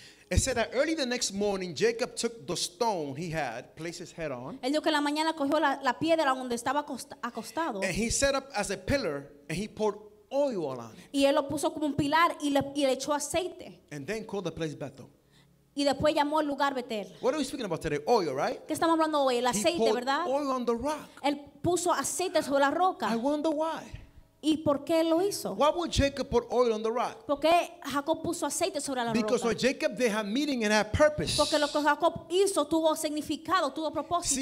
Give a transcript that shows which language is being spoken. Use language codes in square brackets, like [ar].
[en] It said that early the next morning, Jacob took the stone he had, placed his head on. [es] Él dijo que la mañana cogió la, la piedra donde estaba acostado. [en] And he set up as a pillar, and he poured oil on it. [es] Y él lo puso como un pilar y le echó aceite. [en] And then called the place Bethel. [es] Y después llamó el lugar Betel. [en] What are we speaking about today? Oil, right? [es] ¿Qué estamos hablando hoy? El aceite, ¿verdad? [en] He poured oil on the rock. [es] Él puso aceite sobre la roca. [en] I wonder why. [es] ¿Y por qué lo hizo? [en] Why would Jacob put oil on the rock? [es] ¿Por qué Jacob puso aceite sobre la [en] because [es] roca? [en] Because what Jacob did had meaning and had purpose. [es] Porque lo que Jacob hizo tuvo significado, tuvo propósito.